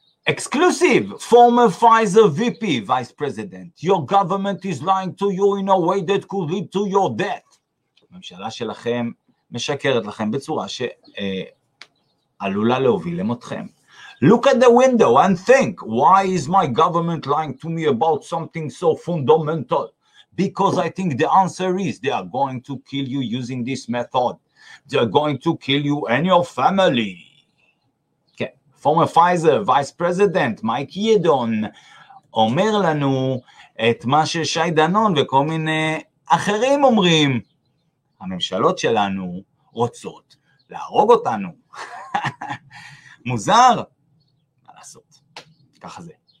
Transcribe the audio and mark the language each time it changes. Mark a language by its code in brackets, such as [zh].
[en] Exclusive, former Pfizer VP, Vice President. Your government is lying to you in a way that could lead to your death. [he] הממשלה שלכם משקרת לכם בצורה שעלולה להוביל למותכם. [en] Look at the window and think, why is my government lying to me about something so fundamental? Because I think the answer is they are going to kill you using this method. They are going to kill you and your family. Okay. [he] Former Pfizer Vice President Mike Yedon אומר לנו את מה ששי דנון וכל מיני אחרים אומרים. הממשלות שלנו רוצות להרוג אותנו. מוזר. מה לעשות? ככה זה.